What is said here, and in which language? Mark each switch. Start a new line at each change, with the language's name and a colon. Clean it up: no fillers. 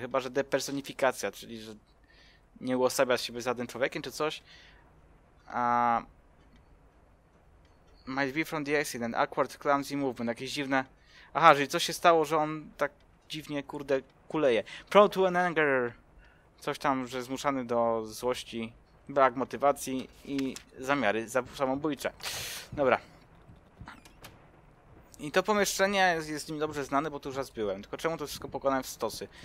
Polish: Chyba, że depersonifikacja, czyli że nie uosabiasz siebie z żadnym człowiekiem, czy coś.
English: Might be from the accident. Awkward, clumsy movement.
Polish: Jakieś dziwne... Aha, czyli coś się stało, że on tak dziwnie, kurde, kuleje.
English: Prone to an anger.
Polish: Coś tam, że zmuszany do złości, brak motywacji i zamiary samobójcze. Dobra. I to pomieszczenie jest mi dobrze znane, bo tu już raz byłem. Tylko czemu to wszystko pokonałem w stosy?